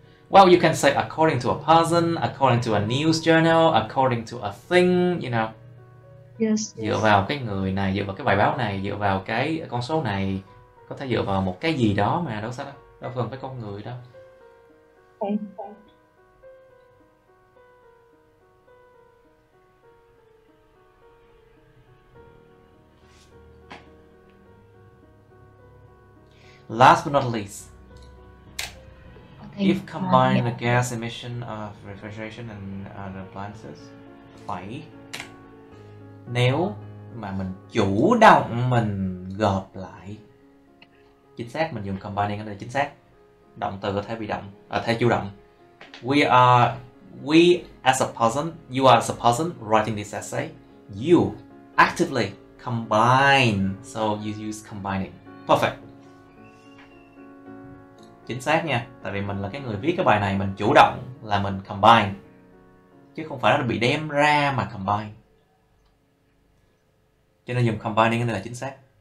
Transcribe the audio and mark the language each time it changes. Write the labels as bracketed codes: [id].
[en] Well, you can say according to a person, according to a news journal, according to a thing, you know. Yes. [vi] Dựa vào cái người này, dựa vào cái bài báo này, dựa vào cái con số này, có thể dựa vào một cái gì đó mà đâu sao đâu cần phải con người đâu. [en] Last but not least. If combining the gas emission of refrigeration and other appliances, [vi] phải nếu mà mình chủ động mình gộp lại, chính xác mình dùng combining ở đây chính xác, động từ có thể bị động, thay chủ động. [en] We as a person, you are as a person writing this essay, you actively combine, so you use combining, perfect. [vi] Chính xác nha, tại vì mình là cái người viết cái bài này, mình chủ động là mình combine chứ không phải là bị đem ra mà combine. Cho nên dùng combining đây là chính xác.